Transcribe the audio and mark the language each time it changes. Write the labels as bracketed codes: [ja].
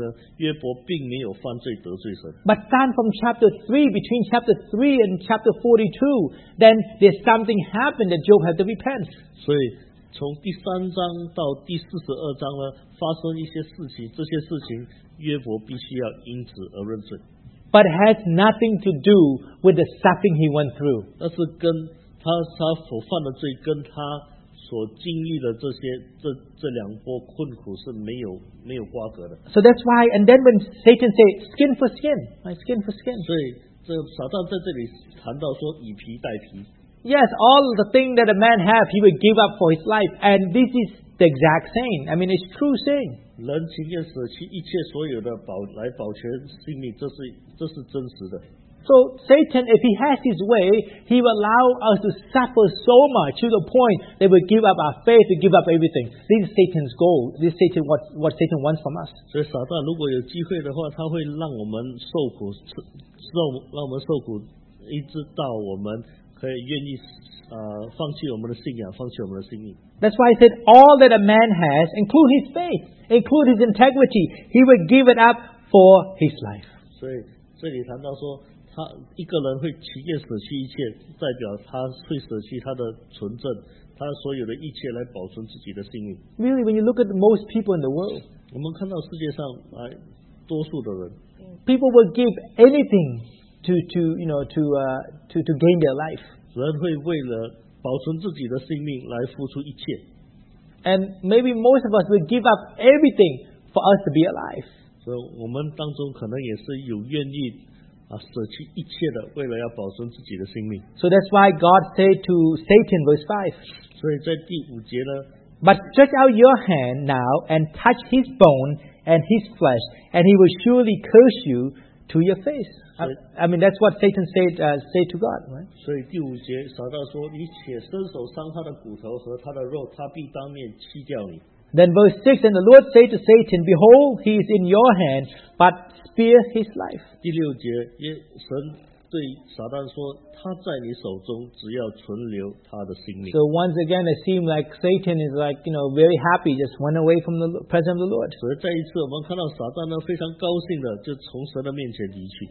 [zh] 所以我们要了解，经过第一次、第一波、第二波的这种困境呢，约伯并没有犯罪得罪神。 [en] But then from chapter 3, between chapter 3 and chapter 42, then there's something happened that Job had to repent. [zh] 所以从第三章到第四十二章呢，发生一些事情，这些事情约伯必须要因此而认罪。 [en] But it has nothing to do with the suffering he went through. [zh] 那是跟他所犯的罪，跟他所经历的这两波困苦是没有瓜葛的。 [en] So that's why, and then when Satan said skin for skin, my skin for skin. [zh] 所以这撒旦在这里谈到说以皮代皮。 [en] Yes, all the thing that a man have, he would give up for his life, and this is the exact same. I mean, it's true same. [zh] 人情愿舍弃一切所有的来保全性命，这是真实的。 [en] So Satan, if he has his way, he will allow us to suffer so much to the point that we give up our faith, we give up everything. This is Satan's goal. This is Satan, what Satan wants from us. [zh] 所以撒旦如果有机会的话，他会让我们受苦，让我们受苦，一直到我们可以愿意放弃我们的信仰，放弃我们的性命。 [en] That's why I said all that a man has, include his faith, include his integrity, he will give it up for his life. [zh] 所以这里谈到说，他一个人会情愿舍弃一切，代表他会舍弃他的纯正，他所有的一切来保存自己的性命。 [en] Really, when you look at most people in the world, [zh] 我们看到世界上多数的人 [en] ，people will give anything to gain their life. [zh] 人会为了保存自己的性命来付出一切。 [en] And maybe most of us will give up everything for us to be alive. [zh] 所以我们当中可能也是有愿意舍弃一切的，为了要保存自己的性命。 [en] So that's why God said to Satan, verse 5. [zh] 所以在第五节呢。 [en] But stretch out your hand now and touch his bone and his flesh, and he will surely curse you to your face. I mean, that's what Satan said, said to God, right? [zh] 所以第五节，撒旦说，你且伸手伤他的骨头和他的肉，他必当面弃掉你。 [en] Then verse 6, and the Lord said to Satan, behold, he is in your hand, but spare his life. [zh] 第六节，神对撒旦说，他在你手中，只要存留他的性命。 [en] So once again, it seemed like Satan is like, you know, very happy, just went away from the presence of the Lord. [zh] 所以再一次，我们看到撒旦呢，非常高兴的，就从神的面前离去。